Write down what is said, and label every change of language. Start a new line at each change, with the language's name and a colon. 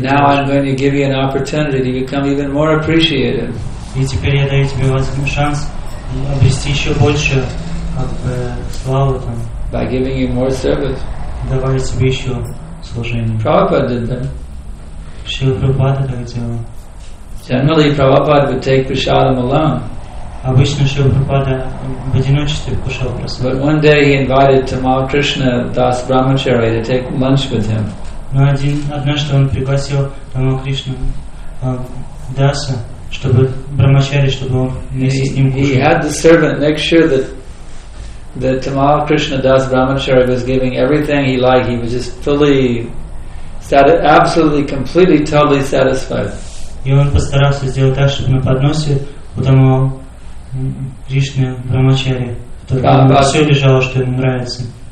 English: now
Russian: делаешь.
English: I'm going to give you an opportunity to become even more appreciated.
Russian: И теперь я даю тебе шанс обрести еще больше славы там.
English: By giving you more service.
Russian: Давай тебе еще служение.
English: Prabhupada did that.
Russian: Шрила Прабхупада так делал.
English: Generally, Prabhupada would take prasadam alone.
Russian: Обычно Шрила Прабхупада в одиночестве кушал просад.
English: But one day he invited Tamal Krishna Das Brahmacharya to take lunch with him.
Russian: Но однажды он пригласил Тамал Кришну Даса, чтобы Брамачари, чтобы он вместе с ним кушал.
English: He had the servant make sure that Tamal Krishna Das Brahmacharya was giving everything he liked. He was just fully, absolutely, completely, totally satisfied.
Russian: И он постарался сделать так, чтобы на подносе у Тамал Кришны Брамачари все лежало, что ему нравится.